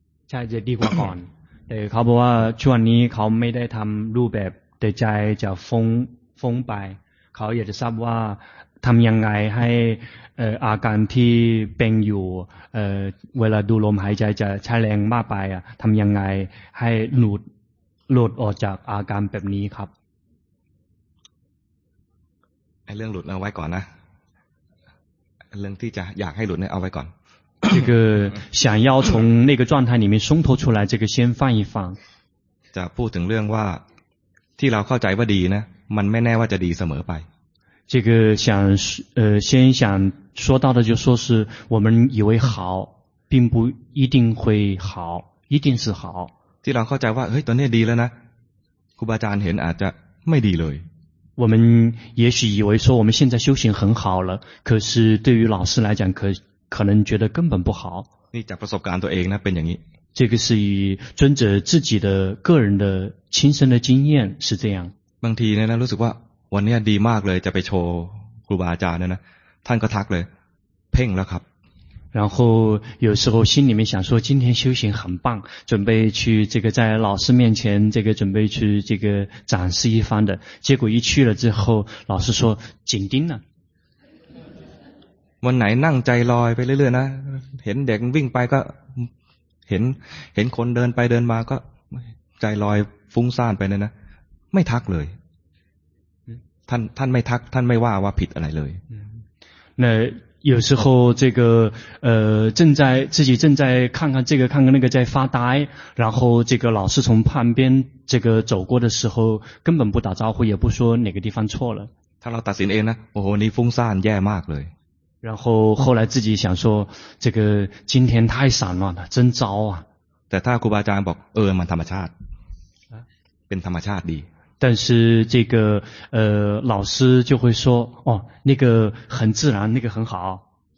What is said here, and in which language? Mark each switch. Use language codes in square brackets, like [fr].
[th] ใช่จะดีกว่าก่อน แต่เขาบอกว่าช่วงนี้เขาไม่ได้ทำรูปแบบแต่ใจจะฟุ้งไปเขาอยากจะทราบว่าทำยังไงให้อาการที่เป็นอยู่เวลาดูลมหายใจจะใช้แรงมากไปอ่ะทำยังไงให้หลุดออกจากอาการแบบนี้ครับ ไอ้เรื่องหลุดเอาไว้ก่อนนะเรื่องที่จะอยากให้หลุดเนี่ยเอาไว้ก่อน [zh] 这个想要从那个状态里面松脱出来这个先放一放 [th] จะพูดถึงเรื่องว่าที่เราเข้าใจว่าดีนะมันไม่แน่ว่าจะดีเสมอไป [zh] 这个想先想说到的就是说是我们以为好并不一定会好一定是好 [th] ที่เราเข้าใจว่าเฮ้ยตอนนี้ดีแล้วนะครูบาอาจารย์เห็นอาจจะไม่ดีเลย [zh] 我们也许以为说我们现在修行很好了可是对于老师来讲可能觉得根本不好 [th] นี่จากประสบการณ์ตัวเองนะเป็นอย่างนี้ [zh] 这个是以尊者自己的个人的亲身的经验是这样 [th] บางทีเนี่ยนะรู้สึกว่าวันนี้ดีมากเลยจะไปโชว์ครูบาอาจารย์เนี่ยนะท่านก็ทักเลยเพ่งแล้วครับ [zh] 然后有时候心里面想说今天修行很棒准备去这个在老师面前这个准备去这个展示一番的结果一去了之后老师说紧盯了 [th] วันไหนนั่งใจลอยไปเรื่อยๆนะเห็นเด็กวิ่งไปก็เห็นคนเดินไปเดินมาก็ใจลอยฟุ้งซ่านไปเนี่ยนะไม่ทักเลยท่านไม่ทักท่านไม่ว่าว่าผิดอะไรเลย [zh] 那有时候这个自己正在看看这个看看那个在发呆然后这个老师从旁边这个走过的时候根本不打招呼也不说哪个地方错了 [th] ถ้าเราตัดสินเองนะโอ้โหนี่ฟุ้งซ่านแย่มากเลย [zh] 然后后来自己想说这个今天太散乱了真糟啊 [th] แต่ถ้าครูบาอาจารย์บอกเออมันธรรมชาติเป็นธรรมชาติดี [zh] 但是这个老师就会说哦那个很自然那个很好